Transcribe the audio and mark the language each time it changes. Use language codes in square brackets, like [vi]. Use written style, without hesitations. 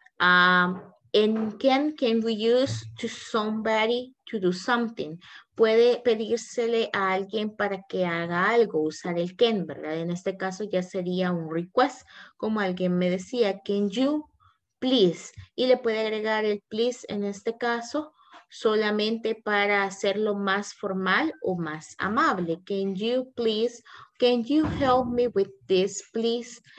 [en] And can we use to somebody to do something? [es] Puede pedírsele a alguien para que haga algo, usar el can, ¿verdad? En este caso ya sería un request, como alguien me decía, [en] can you please? [es] Y le puede agregar el please en este caso, solamente para hacerlo más formal o más amable. [en] Can you please, can you help me with this, please?